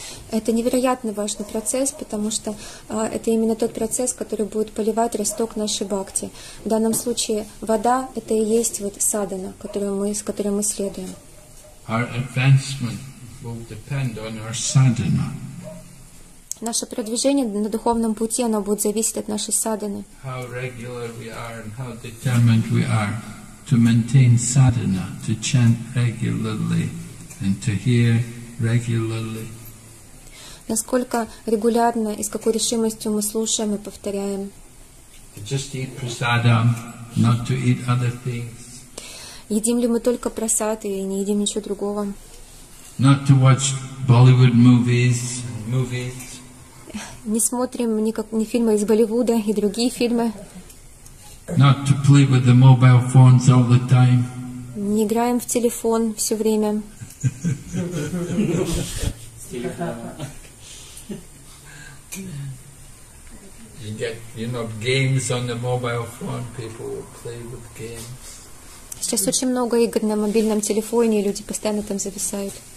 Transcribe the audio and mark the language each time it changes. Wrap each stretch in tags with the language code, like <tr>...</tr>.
<ru>Это невероятно важный процесс, потому что это именно тот процесс, который будет поливать росток нашей бхакти. В данном случае вода — это и есть вот садхана, с которой мы следуем.</ru> <en>Our advancement will depend on our sadhana.</en> <ru>Наше продвижение на духовном пути, оно будет зависеть от нашей садханы.</ru> <en>How regular we are and how determined we are to maintain sadhana, to chant regularly and to hear regularly.</en> <ru>Насколько регулярно и с какой решимостью мы слушаем и повторяем.</ru> <en>To just eat prasadam, not to eat other things.</en> <ru>Едим ли мы только прасад и не едим ничего другого?</ru> <en>Not to watch Bollywood movies.</en> <ru>Не смотрим ни фильмы из Болливуда и другие фильмы.</ru> <en>Not to play with the mobile phones all the time.</en> <ru>Не играем в телефон все время.</ru> <en>You get, you know, games on the mobile phone. People will play with games.</en> <ru>Сейчас очень много игр на мобильном телефоне, и люди постоянно там зависают.</ru>